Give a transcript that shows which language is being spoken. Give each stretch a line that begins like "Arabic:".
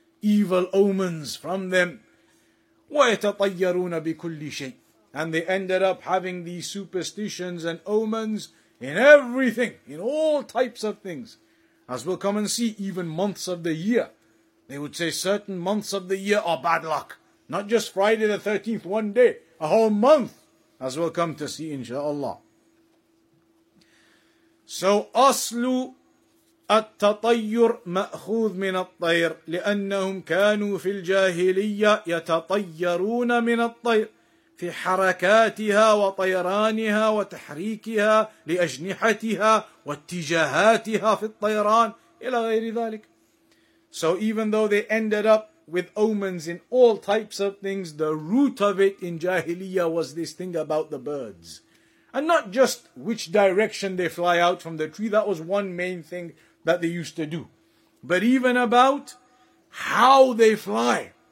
English: Evil omens from them.
Arabic: وَيَتَطَيَّرُونَ بِكُلِّ شَيْءٍ
English: And they ended up having these superstitions and omens in everything, in all types of things. As we'll come and see, even months of the year. They would say certain months of the year are bad luck. Not just Friday the 13th, one day, a whole month. As we'll come to see, inshaAllah.
Arabic: So, أَصْلُ التطير مأخوذ من الطير لأنهم كانوا في الجاهلية يتطيرون من الطير في حركاتها وطيرانها وتحريكها لأجنحتها واتجاهاتها في الطيران إلى غير ذلك.
English: So even though they ended up with omens in all types of things, the root of it in Jahiliyyah was this thing about the birds. And not just which direction they fly out from the tree, that was one main thing that they used to do. But even about how they fly.